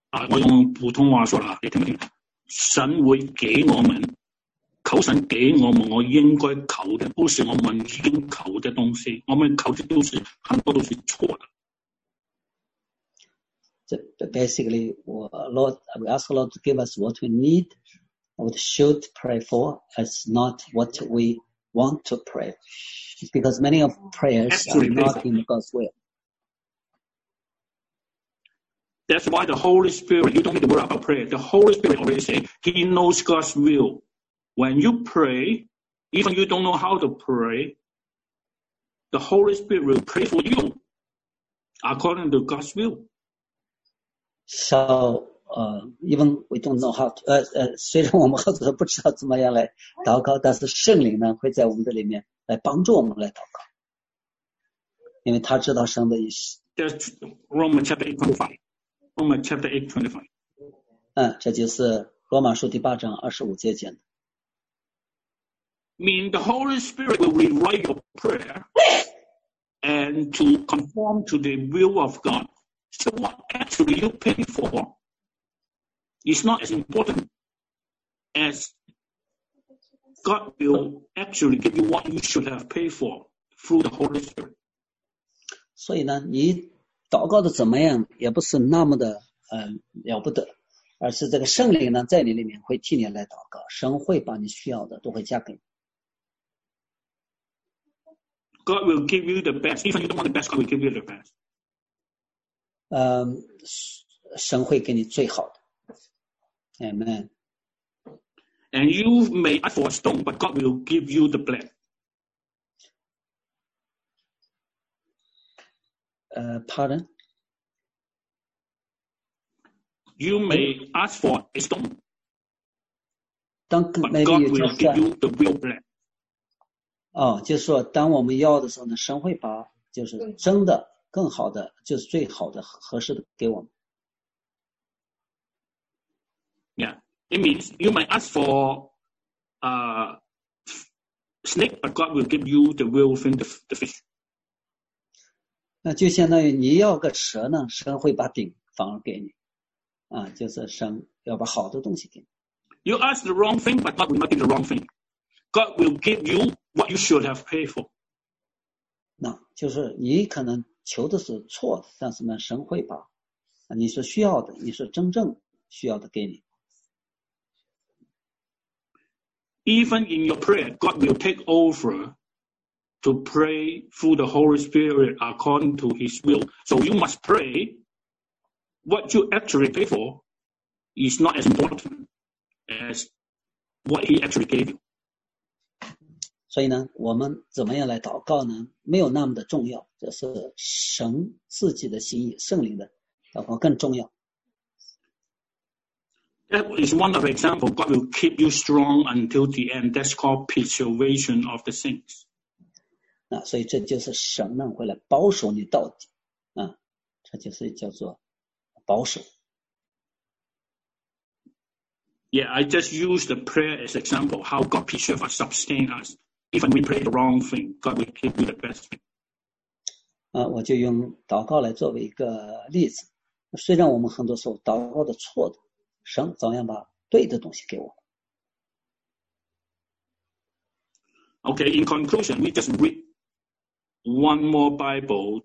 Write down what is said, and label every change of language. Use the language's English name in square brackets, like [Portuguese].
[Chinese] 我用普通话说了，你听不听？神会给我们，求神给我们我应该求的，不是我们已经求的东西，我们求的都是很多都是错的。 [English] Basically, Lord, we ask the Lord to give us what we need, what we should pray for. It's not what we want to pray. It's because many of prayers are not in God's will. That's why the Holy Spirit, you don't need to worry about prayer. The Holy Spirit already said He knows God's will. When you pray, even you don't know how to pray, the Holy Spirit will pray for you according to God's will. So, even we don't know how to, [Chinese] 虽然我们很多人不知道怎么样来祷告，但是圣灵呢会在我们这里面来帮助我们来祷告，因为他知道神的意思。 [English] That's Romans chapter 8:25. Romans chapter 8:25. [Chinese] 这就是罗马书第八章二十五节讲的。 [English] Mean the Holy Spirit will rewrite your prayer and to conform to the will of God. So what actually you pay for is not as important as God will actually give you what you should have paid for through the Holy Spirit. [Chinese] 所以呢，你祷告的怎么样也不是那么的了不得，而是这个圣灵呢在你里面会替你来祷告，神会把你需要的都会加给你。 [English] God will give you the best. Even if you don't want the best, God will give you the best. [Chinese] 神会给你最好的 Amen. [English] And you may ask for a stone, but God will give you the bread. Pardon? You may ask for a stone, Don't, but God will give you the real bread. [Chinese] 哦，就是说，当我们要的时候呢，神会把就是真的。更好的就是最好的合适的给我们。 [English] Yeah, it means you might ask for a snake, but God will give you the real thing, the fish. [Chinese] 那就相当于你要个蛇呢，神会把顶反而给你。啊，就是神要把好的东西给你。 [English] You ask the wrong thing, but God will not give the wrong thing. God will give you what you should have paid for. [Chinese] 那就是你可能。求的是错的，但是呢，神会把你所需要的，你所真正需要的给你。 [English] Even in your prayer, God will take over to pray through the Holy Spirit according to His will. So you must pray. What you actually pay for is not as important as what He actually gave you. [Chinese] 所以呢，我们怎么样来祷告呢？没有那么的重要，这是神自己的心意，圣灵的祷告更重要。 [English] That is one of the examples. God will keep you strong until the end. That's called preservation of the saints. [Chinese] 那所以这就是神呢会来保守你到底，啊，这就是叫做保守。 [English] Yeah, I just use the prayer as example how God preserve and sustain us. Even we pray the wrong thing, God will give you the best thing. [Chinese] 啊，我就用祷告来作为一个例子。虽然我们很多时候祷告的错的，神怎样把对的东西给我。 [English] Okay, in conclusion, we just read one more Bible.